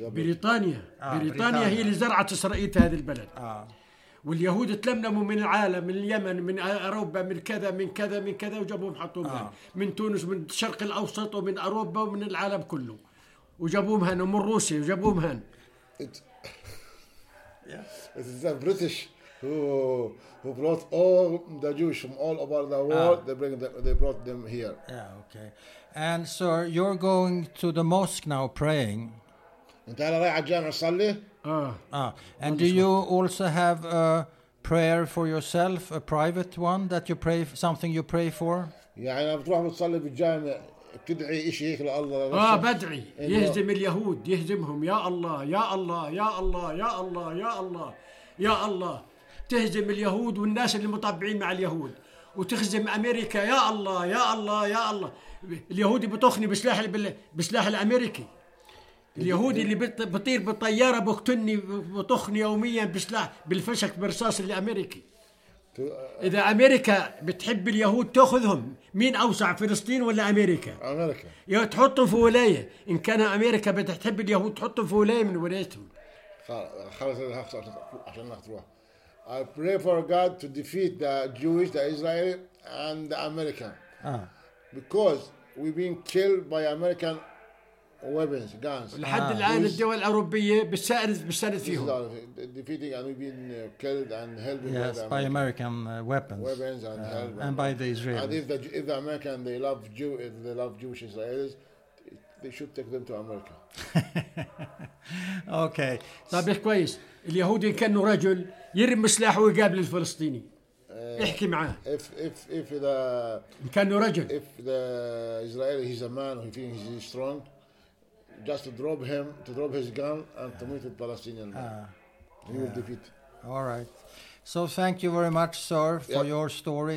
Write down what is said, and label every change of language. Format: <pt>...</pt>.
<ar>بريطانيا. بريطانيا هي اللي زرعت إسرائيل هذا البلد. واليهود تلملموا من العالم من اليمن من أوروبا من كذا من كذا من كذا وجابوهم حطوهم من تونس من الشرق الأوسط ومن أوروبا ومن العالم كله. وجابوهم هن ومن روسيا وجابوهم هن.</ar> <en>It is the British who brought all the Jews from all over the world. They brought them here. Yeah. Okay. And so you're going to the mosque now, praying.</en> <ar>أنت هلا رايح على الجامع تصلي.</ar> <en>And do you also have a prayer for yourself, a private one that you pray, something you pray for?</en> <ar>يعني بتروح بتصلي في الجامع. بتدعي إشي هيك لله بدعي يهزم اليهود يهزمهم يا الله يا الله يا الله يا الله يا الله يا الله تهزم اليهود والناس اللي متابعين مع اليهود وتهزم أمريكا يا الله يا الله يا الله اليهودي بتخني بسلاح الأمريكي اليهودي اللي بطير بالطيارة بقتلني بطخني يوميا بسلاح بالفشك برصاص الأمريكي إذا أمريكا بتحب اليهود تأخذهم مين أوسع فلسطين ولا أمريكا؟ أمريكا. تحطهم في ولاية إن كان أمريكا بتحب اليهود تحطهم في ولاية من ولايتهم. خلاص عشان نختروه.</ar> <en>I pray for God to defeat the Jewish, the Israeli, and the American. Because we've been killed by American weapons, guns.</en> <ar>لحد الآن الدول الأوروبية بتساند فيهم.</ar> <en>Defeating and we've been killed and held yes, by American, weapons. Weapons and help. And by the Israelis. And if the American they love Jewish Israelis, they should take them to America. Okay.</en> <ar>طيب كويس. اليهودي كأنه رجل يرمي سلاحه ويقابل الفلسطيني. احكي معاه.</ar> <en>If the</en> <ar>كأنه رجل.</ar> <en>If the Israeli he's a man who thinks he's strong, just to drop his gun and to meet the Palestinian. You will defeat. All right. So thank you very much, sir, for your story.</en>